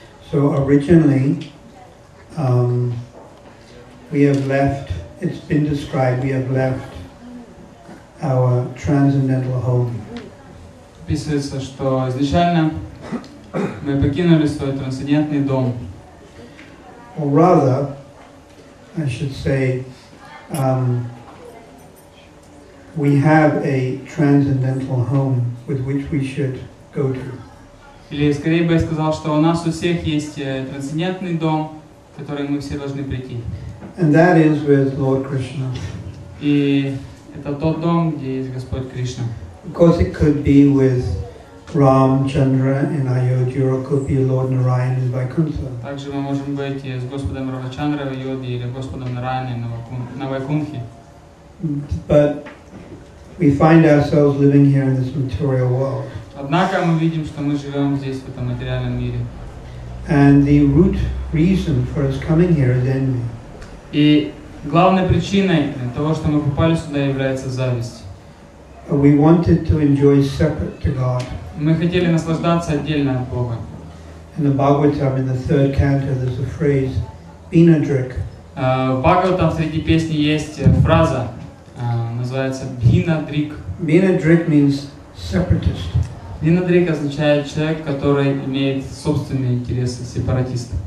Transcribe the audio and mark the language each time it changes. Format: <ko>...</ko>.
<en>So originally, we have left, it's been described, we have left our transcendental home.</en> <ru>Описывается, что изначально мы покинули свой трансцендентный дом.</ru> <en>Or rather, I should say, we have a transcendental home with which we should go to.</en> <ru>Или скорее бы я сказал, что у нас у всех есть трансцендентный дом, в который мы все должны прийти.</ru> <en>And that is with Lord Krishna.</en> <ru>И это тот дом, где есть Господь Кришна.</ru> <en>Of course, it could be with Ram, Chandra, and Ayodhya, or could be Lord Narayana and Vaikuntha.</en> <ru>Также мы можем быть с Господом Рамачандра в Айодхе или Господом Нараяной на Вайкунхе.</ru> <en>But we find ourselves living here in this material world.</en> <ru>Однако мы видим, что мы живем здесь в этом материальном мире.</ru> <en>And the root reason for us coming here is envy.</en> <ru>И главной причиной того, что мы попали сюда, является зависть.</ru> <en>We wanted to enjoy separate to God.</en> <ru>Мы хотели наслаждаться отдельно от Бога.</ru> <en>In the Bhagavatam, in the third canto, there's a phrase, "Bhinadrik".</en> <ru>В Бхагаватам среди песни есть фраза, называется "Bhinadrik".</ru> <en>Bhinadrik means separatist.</en> <ru>Bhinadrik означает человек, который имеет собственные интересы, сепаратист.</ru>